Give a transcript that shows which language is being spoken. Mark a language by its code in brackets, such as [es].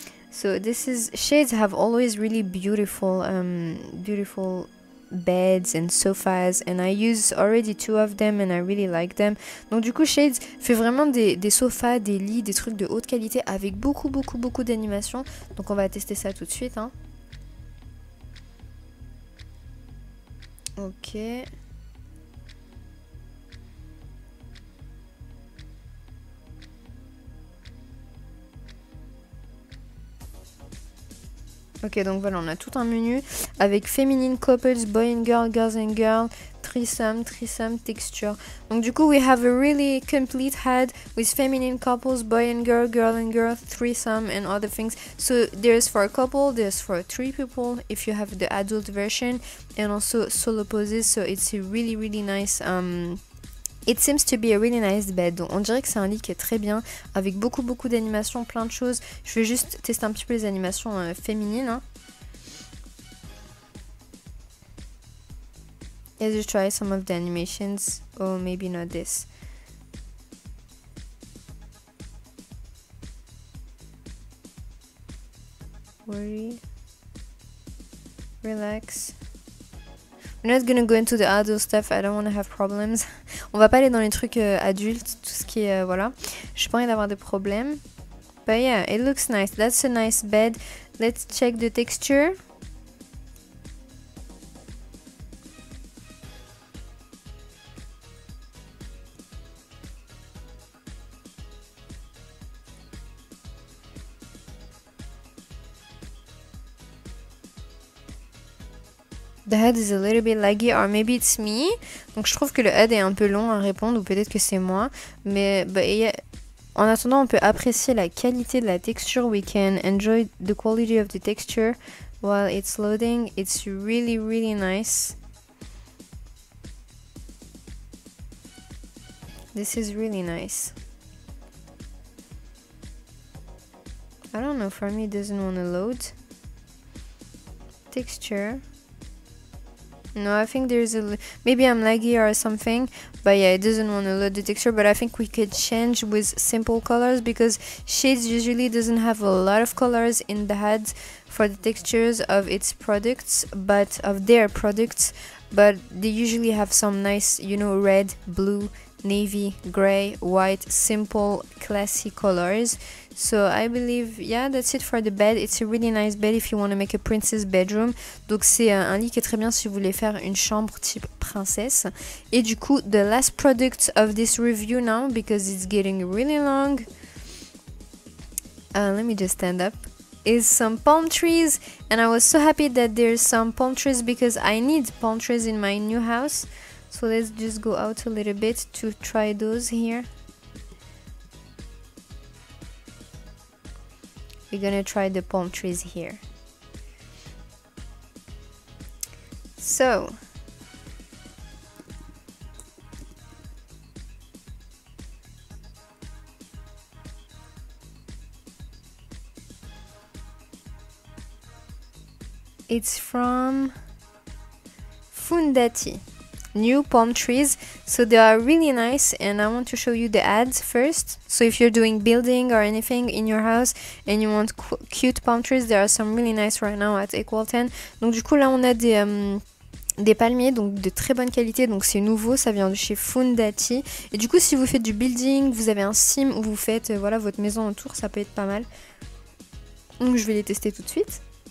[en] So this is Shades have always really beautiful, beautiful beds and sofas, and I use already two of them and I really like them. [fr] Donc du coup Shades fait vraiment des sofas, des lits, des trucs de haute qualité avec beaucoup beaucoup beaucoup d'animation. Donc on va tester ça tout de suite hein. Ok. Ok, donc voilà, on a tout un menu avec féminine, couples, [en] boy and girl, girls and girl, threesome, threesome, [fr] texture. Donc du coup, [en] we have a really complete head with feminine, couples, boy and girl, threesome and other things. So there's for a couple, there's for three people if you have the adult version, and also solo poses. So it's a really, really nice... It seems to be a really nice bed. [fr] Donc on dirait que c'est un lit qui est très bien, avec beaucoup beaucoup d'animations, plein de choses. Je vais juste tester un petit peu les animations féminines. [en] Let's just try some of the animations. Oh, maybe not this. Worry. Relax. We're not gonna go into the adult stuff, I don't wanna have problems. [fr] On va pas aller dans les trucs adultes, tout ce qui est, voilà. J'ai pas envie d'avoir des problèmes. [en] But yeah, it looks nice, that's a nice bed. Let's check the texture. The head is a little bit laggy, or maybe it's me. [fr] Donc je trouve que le head est un peu long à répondre, ou peut-être que c'est moi. Mais bah, yeah. En attendant, on peut apprécier la qualité de la texture. [en] We can enjoy the quality of the texture while it's loading. It's really, really nice. This is really nice. I don't know, for me it doesn't want to load. Texture. No, I think there's a... Maybe I'm laggy or something. But yeah, it doesn't want to load the texture. But I think we could change with simple colors, because Shades usually doesn't have a lot of colors in the head for the textures of its products. But of their products. But they usually have some nice, you know, red, blue, navy, gray, white, simple, classy colors. So I believe, yeah, that's it for the bed. It's a really nice bed if you want to make a princess bedroom. [fr] Donc c'est un lit qui est très bien si vous voulez faire une chambre type princesse. Et du coup, [en] the last product of this review now, because it's getting really long. Let me just stand up. Is some palm trees. And I was so happy that there's some palm trees, because I need palm trees in my new house. So let's just go out a little bit to try those here. We're gonna try the palm trees here. So. It's from Fundati. New palm trees, so they are really nice, and I want to show you the ads first. So if you're doing building or anything in your house and you want cute palm trees, there are some really nice right now at Equal10. [fr] Donc du coup là on a des palmiers, donc de très bonne qualité, donc c'est nouveau, ça vient de chez Fundati. Et du coup, si vous faites du building, vous avez un sim où vous faites voilà, votre maison autour, ça peut être pas mal. Donc je vais les tester tout de suite.